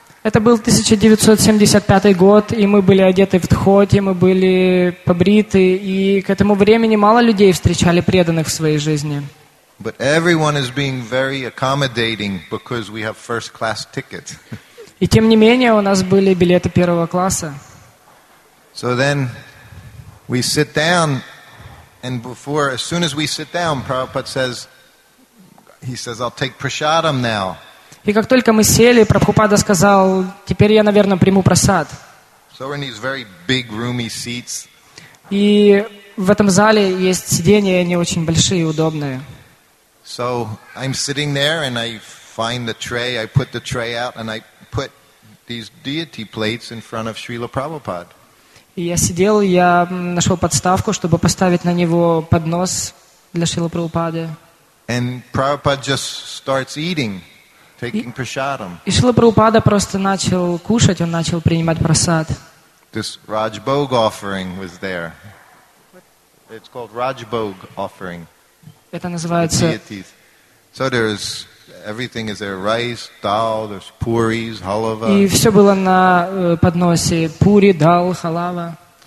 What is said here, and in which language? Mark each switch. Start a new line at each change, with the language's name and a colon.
Russian: Это был 1975 год, и мы были одеты в дхоти, мы были побриты, и к этому времени мало людей встречали преданных в своей жизни.
English: But everyone is being very accommodating because we have first class tickets.
Russian: И тем не менее, у нас были билеты первого класса.
English: So then we sit down, and before, as soon as we sit down, Prabhupada says, he says, I'll take prasadam now.
Russian: И как только мы сели, Прабхупада сказал: теперь я, наверное, приму прасад.
English: So we're in these very big roomy seats.
Russian: И в этом зале есть сиденья, они очень большие и удобные.
English: So I'm sitting there and I find the tray, I put the tray out and I put these deity plates in front of Srila Prabhupada.
Russian: Я сидел, я нашел подставку, чтобы поставить на него поднос для Шрилы Прабхупады.
English: And Prabhupada just starts eating, taking prasadam.
Russian: И Шрила Прабхупада просто начал кушать, он начал принимать прасад.
English: This Rajbhog offering was there. It's called Rajbhog offering.
Russian: Это называется...
English: So there's everything is there: rice, dal, there's puris, halava.
Russian: И все было на подносе: пури, дал, халава.